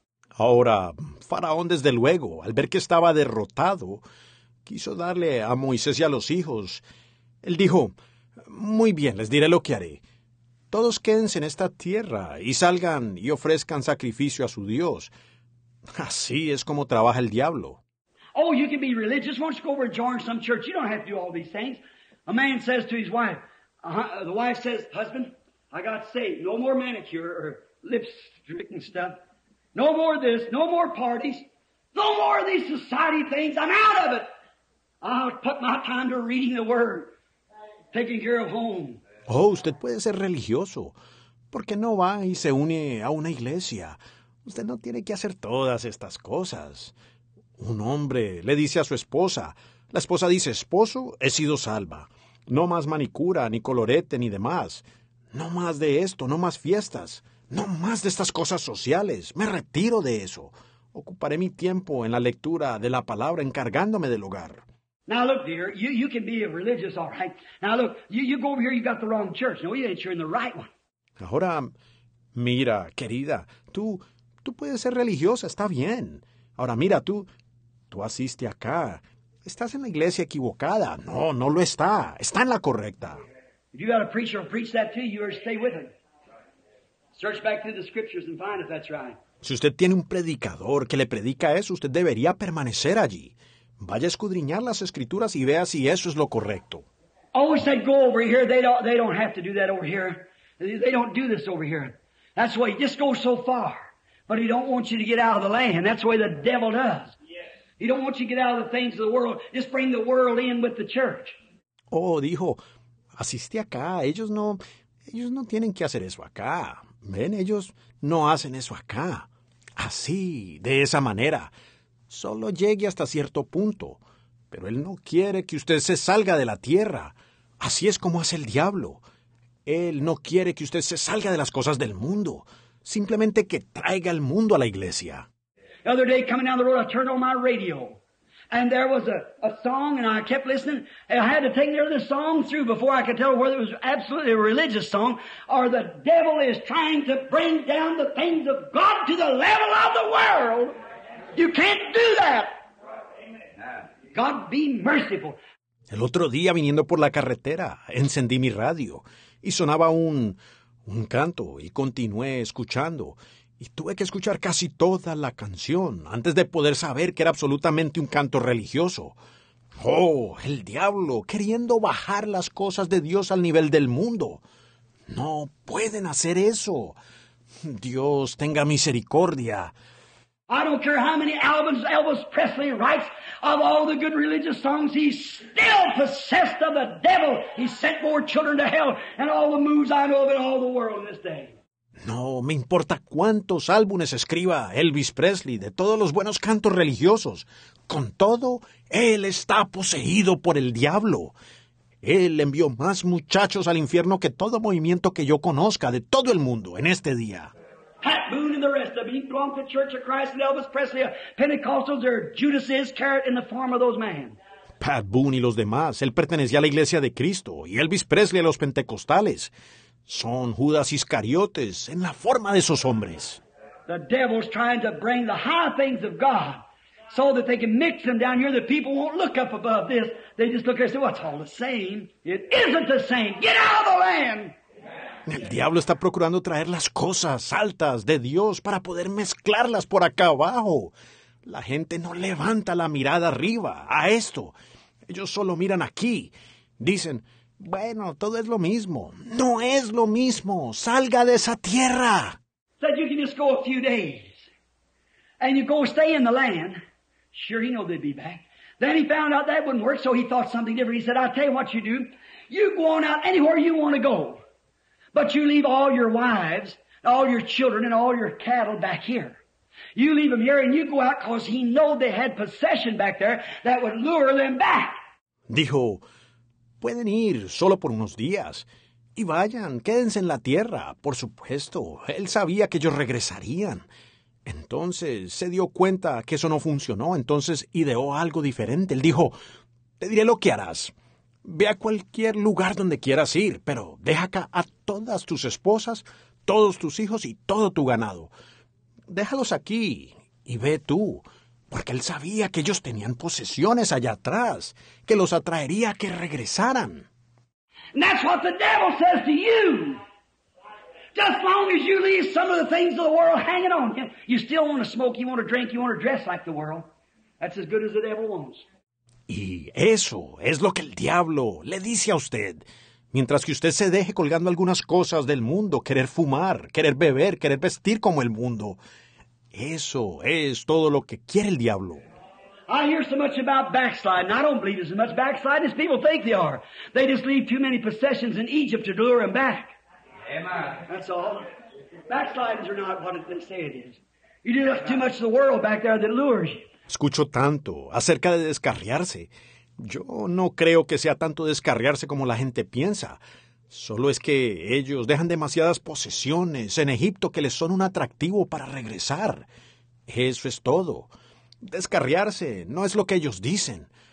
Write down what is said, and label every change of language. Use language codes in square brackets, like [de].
[es] Ahora, Faraón, desde luego, al ver que estaba derrotado, quiso darle a Moisés y a los hijos. Él dijo, "Muy bien, les diré lo que haré. Todos quédense en esta tierra y salgan y ofrezcan sacrificio a su Dios. Así es como trabaja el diablo." [en] Oh, you can be religious. Why don't you go over and join some church? You don't have to do all these things. A man says to his wife, the wife says, "Husband, I got saved. No more manicure or lipstick and stuff. No more this, no more parties. No more of these society things. I'm out of it. I'll put my time to reading the word. Taking care of home." [es] Oh, usted puede ser religioso. ¿Por qué no va y se une a una iglesia? Usted no tiene que hacer todas estas cosas. Un hombre le dice a su esposa. La esposa dice, "Esposo, he sido salva. No más manicura, ni colorete, ni demás. No más de esto, no más fiestas. No más de estas cosas sociales. Me retiro de eso. Ocuparé mi tiempo en la lectura de la palabra encargándome del hogar." [en] Now look, dear, you can be a religious, all right. Now look, you go over here, you got the wrong church. No, you ain't sure in the right one. [es] Ahora, mira, querida, tú puedes ser religiosa, está bien. Ahora, mira, tú asiste acá. Estás en la iglesia equivocada. No, no lo está. Está en la correcta. [en] If you got a preacher to preach that to you, or stay with him. Search back through the scriptures and find if that's right. [es] Si usted tiene un predicador que le predica eso, usted debería permanecer allí. Vaya a escudriñar las escrituras y vea si eso es lo correcto. [en] Oh, said go over here. They don't have to do that over here. They don't do this over here. That's why he just goes so far. But he don't want you to get out of the land. That's the way the devil does. Yes. He don't want you to get out of the things of the world. Just bring the world in with the church. [es] Oh, dijo, asiste acá. Ellos no tienen que hacer eso acá. Ven, ellos no hacen eso acá. Así, de esa manera. Solo llegue hasta cierto punto. pero él no quiere que usted se salga de la tierra. Así es como hace el diablo. Él no quiere que usted se salga de las cosas del mundo. Simplemente que traiga el mundo a la iglesia. [en] The other day, coming down the road, I turned on my radio. And there was a song, and I kept listening. And I had to take the other song through before I could tell whether it was absolutely a religious song, or the devil is trying to bring down the things of God to the level of the world. You can't do that. God be merciful. [es] El otro día, viniendo por la carretera, encendí mi radio, y sonaba un canto, y continué escuchando. Y tuve que escuchar casi toda la canción antes de poder saber que era absolutamente un canto religioso. ¡Oh, el diablo queriendo bajar las cosas de Dios al nivel del mundo! ¡No pueden hacer eso! ¡Dios tenga misericordia! [en] I don't care how many albums Elvis Presley writes of all the good religious songs, he's still possessed of the devil. He sent more children to hell and all the moves I know of in all the world in this day. [es] No me importa cuántos álbumes escriba Elvis Presley de todos los buenos cantos religiosos. Con todo, él está poseído por el diablo. Él envió más muchachos al infierno que todo movimiento que yo conozca de todo el mundo en este día. [en] Pat Boone and the rest of them belong to the Church of Christ and Elvis Presley, Pentecostals, or Judas Iscariot in the form of those men. [es] Pat Boone y los demás, él pertenecía a la Iglesia de Cristo y Elvis Presley a los pentecostales. Son Judas Iscariotes en la forma de esos hombres. [en] The devil's trying to bring the high things of God so that they can mix them down here. The people won't look up above this. They just look here and say, well, it's all the same. It isn't the same. Get out of the land. [es] El diablo está procurando traer las cosas altas de Dios para poder mezclarlas por acá abajo. La gente no levanta la mirada arriba a esto. Ellos solo miran aquí. Dicen, bueno, todo es lo mismo. No es lo mismo. Salga de esa tierra. [en] Said you can just go a few days. And you go stay in the land. Sure, he knew they'd be back. Then he found out that wouldn't work, so he thought something different. He said, I'll tell you what you do. You go on out anywhere you want to go. But you leave all your wives, all your children, and all your cattle back here. You leave them here and you go out because he knew they had possession back there that would lure them back. [es] Dijo, pueden ir solo por unos días. Y vayan, quédense en la tierra. Por supuesto, él sabía que ellos regresarían. Entonces, se dio cuenta que eso no funcionó. Entonces, ideó algo diferente. Él dijo, te diré lo que harás. Ve a cualquier lugar donde quieras ir, pero deja acá a todas tus esposas, todos tus hijos y todo tu ganado. Déjalos aquí y ve tú. Porque él sabía que ellos tenían posesiones allá atrás, que los atraería a que regresaran. [en] And that's what the devil says to you. Just as long as you leave some of the things of the world hanging on you, you still want to smoke, you want to drink, you want to dress like the world. That's as good as the devil wants. [es] Y eso es lo que el diablo le dice a usted. Mientras que usted se deje colgando algunas cosas del mundo, querer fumar, querer beber, querer vestir como el mundo. Eso es todo lo que quiere el diablo. [en] I hear so much about backsliding. I don't believe there's as much backsliding as people think they are. They just leave too many possessions in Egypt to lure them back. Amen. That's all. Backsliders are not what they say it is. You do too much of the world back there that lures you. [es] Escucho tanto acerca de descarriarse. Yo no creo que sea tanto descarriarse como la gente piensa. Solo es que ellos dejan demasiadas posesiones en Egipto que les son un atractivo para regresar. Eso es todo. Descarriarse no es lo que ellos dicen.